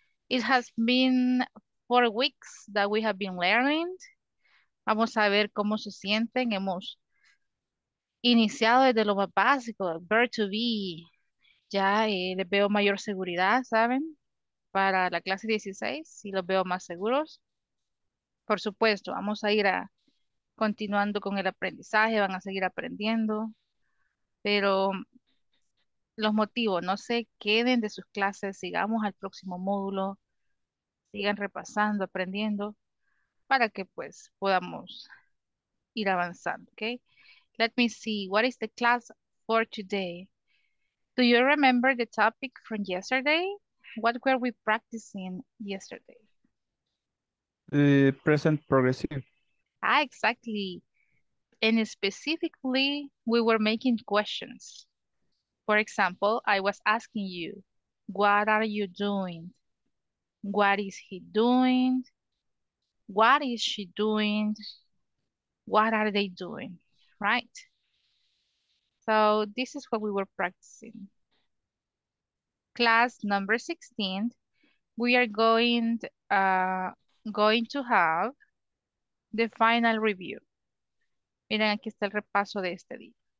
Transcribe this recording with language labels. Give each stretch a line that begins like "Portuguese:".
English: It has been 4 weeks that we have been learning.
Spanish: Vamos a ver cómo se sienten. Hemos iniciado desde lo más básico, verb to be. Ya les veo mayor seguridad, ¿saben? Para la clase 16, si los veo más seguros. Por supuesto, vamos a ir continuando con el aprendizaje, van a seguir aprendiendo, pero los motivos, no se queden de sus clases, sigamos al próximo módulo, sigan repasando, aprendiendo, para que pues podamos ir avanzando, ¿ok?
English: Let me see, what is the class for today? Do you remember the topic from yesterday? What were we practicing yesterday? Present progressive. Ah, exactly. And specifically, we were making questions. For example, I was asking you, what are you doing? What is he doing? What is she doing? What are they doing? Right? So this is what we were practicing. Class number 16, we are going to have the final review.
Spanish: Miren, aquí está el repaso de este día.